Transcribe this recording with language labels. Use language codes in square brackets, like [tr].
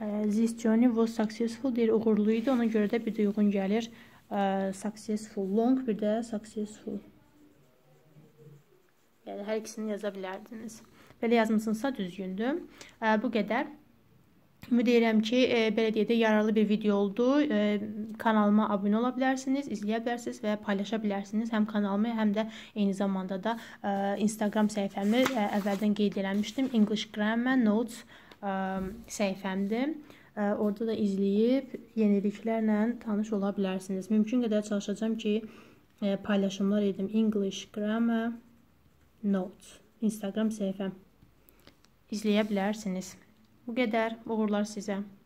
[en] This journey was successful [az] deyir, uğurlu idi. Ona görə də bir də uyğun gəlir. Successful, long, bir də successful. Yəni, hər ikisini yaza bilərdiniz. Belə yazmışsınızsa düzgündür. Bu qədər. Ümid edirəm ki, belə deyək də yararlı bir video oldu. Kanalıma abunə ola bilərsiniz, izləyə bilərsiniz və paylaşa bilərsiniz. Həm kanalımı, həm də eyni zamanda da Instagram səhifəmi əvvəldən qeyd eləmişdim. English Grammar Notes səhifəmdir. Orada da izləyib yeniliklərlə tanış ola bilərsiniz. Mümkün qədər çalışacağım ki, paylaşımlar edim. English Grammar Notes, Instagram səhifəm. İzləyə bilərsiniz. Bu qədər. Uğurlar sizə.